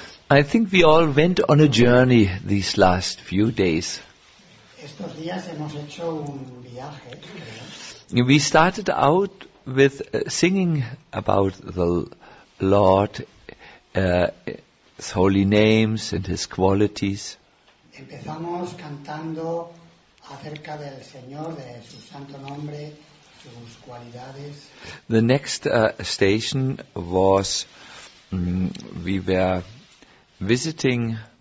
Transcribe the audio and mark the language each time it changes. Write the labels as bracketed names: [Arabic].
[English] I think we all went on a journey these last few days. [Spanish] Estos días hemos hecho un viaje, creo. [English] We started out with singing about the Lord, His holy names and His qualities. [Spanish] Empezamos cantando acerca del Señor, de su santo nombre, sus cualidades. [English] The next station was we were visiting.